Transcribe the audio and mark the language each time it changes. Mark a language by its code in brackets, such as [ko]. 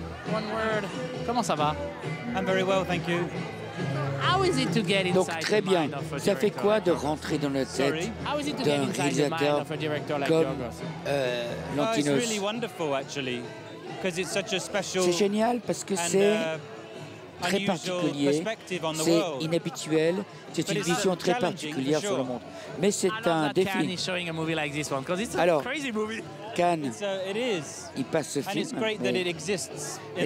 [fr] Onward. Comment ça va? [en] I'm very well, thank you. How is it to get inside? [fr] Donc très bien. [en] The mind of a [fr] ça fait quoi de rentrer dans la tête d'un réalisateur comme Lantinos? [en] It's really wonderful actually, because it's such a special. [fr] C'est génial parce que c'est très particulier, c'est inhabituel, c'est une vision très particulière sur le monde. Mais c'est un défi. Alors, Cannes, il passe ce film. Et